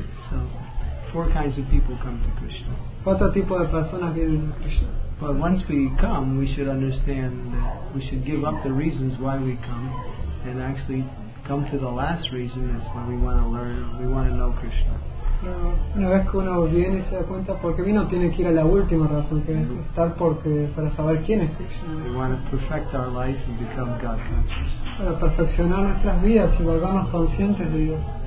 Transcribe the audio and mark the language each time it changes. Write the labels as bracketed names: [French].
[English] So, four kinds of people come to Krishna. [Spanish] Cuatro tipos de personas vienen a Krishna. [English] But once we come, we should understand that we should give up the reasons why we come and actually come to the last reason, that's why we want to learn, we want to know Krishna. [Spanish] Una vez que uno viene y se da cuenta por qué vino, tiene que ir a la última razón, que es estar para saber quién es Krishna. [English] We want to perfect our life and become God conscious. [Spanish] Para perfeccionar nuestras vidas y volvernos conscientes de Dios.